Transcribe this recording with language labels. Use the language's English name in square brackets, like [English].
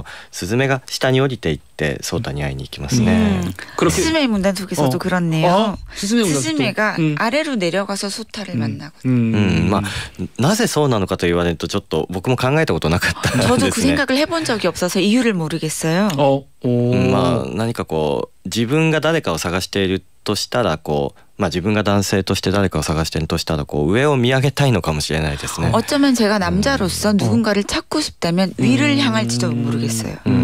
[Japanese] 天気の子もそうじゃないですか。そう、天気の子もそうだし、今回のスズメの戸締まりもスズメが下に降りていってソータに会いに行きますね。 [Korean] 스즈메의 문단 속에서도 그렇네요. 스즈메가 아래로 내려가서 소타를 만나고. [Japanese] まあ、なぜそうなのかと言われるとちょっと僕も考えたことなかった。 [Korean] 저도 그 생각을 해본 적이 없어서 이유를 모르겠어요. [Japanese] まあ、何かこう自分が誰かを探しているとしたらこう。まあ自分が男性として誰かを探しているとしたらこう上を見上げたいのかもしれないですね。 [Korean] 어쩌면 제가 남자로서 누군가를 찾고 싶다면 위를 향할지도 모르겠어요.